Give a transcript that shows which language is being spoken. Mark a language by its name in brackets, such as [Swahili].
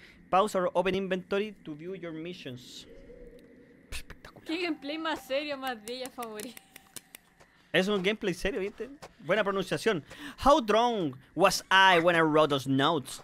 [English] Pause or open inventory to view your missions. [Spanish] Espectacular. Qué gameplay más serio, más de ella favorita. Es un gameplay serio, ¿viste? Buena pronunciación. [English] How drunk was I when I wrote those notes?